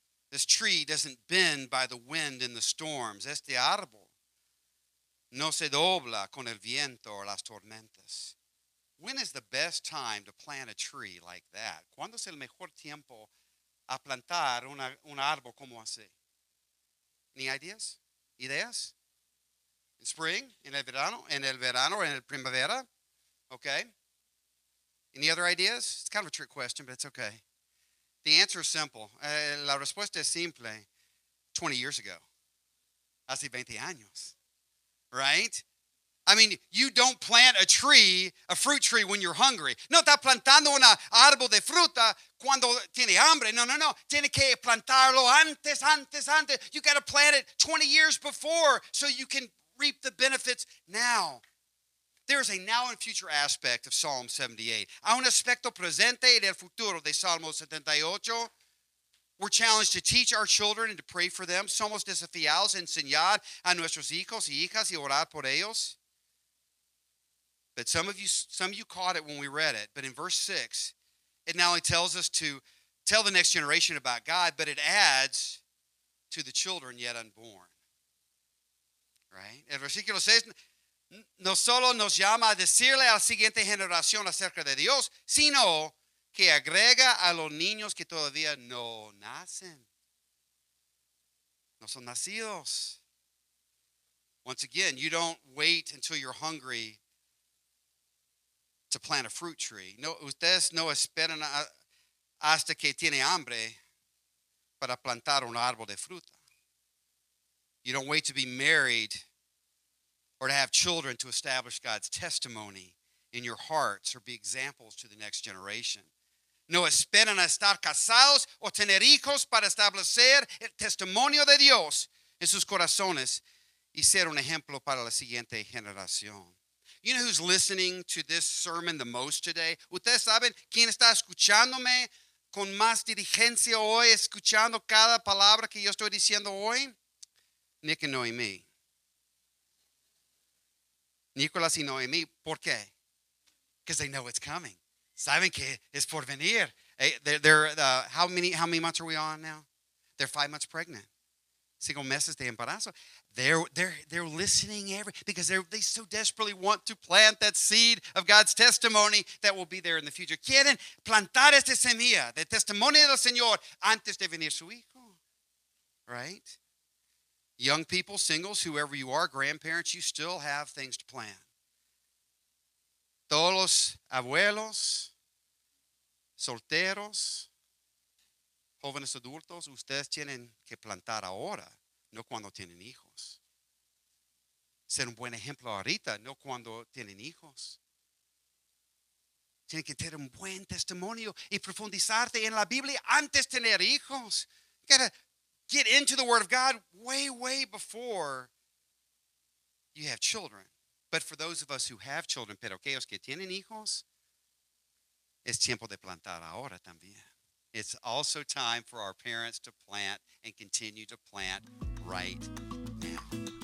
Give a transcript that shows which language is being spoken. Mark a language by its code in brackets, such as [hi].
[en] This tree doesn't bend by the wind and the storms. [es] Este árbol no se dobla con el viento o las tormentas. [en] When is the best time to plant a tree like that? [es] ¿Cuándo es el mejor tiempo a plantar un árbol como así? ¿Ni ideas? ¿Ideas? [en] ¿In spring? [es] ¿En el verano? ¿En el verano? ¿En el primavera? [en] Okay. Any other ideas? It's kind of a trick question, but it's okay. The answer is simple. [es] La respuesta es simple. [en] 20 years ago. [es] Hace 20 años. [en] Right? I mean, you don't plant a tree, a fruit tree, when you're hungry. [es] No está plantando un árbol de fruta cuando tiene hambre. No, no, no. Tiene que plantarlo antes. [en] You got to plant it 20 years before so you can reap the benefits now. There is a now and future aspect of Psalm 78. [es] A un aspecto presente y del futuro de Salmo 78. [en] We're challenged to teach our children and to pray for them. [es] Somos desafiados a enseñar a nuestros hijos y hijas y orar por ellos. [en] But some of you caught it when we read it. But in verse 6, it not only tells us to tell the next generation about God, but it adds to the children yet unborn. Right? [es] El versículo 6 no solo nos llama a decirle a la siguiente generación acerca de Dios, sino que agrega a los niños que todavía no nacen. No son nacidos. [en] Once again, you don't wait until you're hungry to plant a fruit tree. [es] No, ustedes no esperan hasta que tiene hambre para plantar un árbol de fruta. [en] You don't wait to be married or to have children to establish God's testimony in your hearts or be examples to the next generation. [es] No esperan a estar casados o tener hijos para establecer el testimonio de Dios en sus corazones y ser un ejemplo para la siguiente generación. [en] You know who's listening to this sermon the most today? [es] ¿Ustedes saben quién está escuchándome con más diligencia hoy, escuchando cada palabra que yo estoy diciendo hoy? [en] Nick and Noemí. Nicolás y Noemí, [es] ¿por qué? [en] Because they know it's coming. [es] ¿Saben que es por venir? [en] How many months are we on now? They're 5 months pregnant. [es] 5 meses de embarazo. [en] They're listening every because they so desperately want to plant that seed of God's testimony that will be there in the future. [es] Quieren plantar esta semilla de testimonio del Señor antes de venir su hijo. [en] Right? Young people, singles, whoever you are, grandparents, you still have things to plant. [es] Todos los abuelos, solteros, jóvenes adultos, ustedes tienen que plantar ahora. No cuando tienen hijos. Ser un buen ejemplo ahorita, no cuando tienen hijos. Tienen que tener un buen testimonio y profundizarte en la Biblia antes de tener hijos. [en] You gotta get into the Word of God way, way before you have children. But for those of us who have children, [es] pero aquellos que tienen hijos, es tiempo de plantar ahora también. [en] It's also time for our parents to plant and continue to plant right now.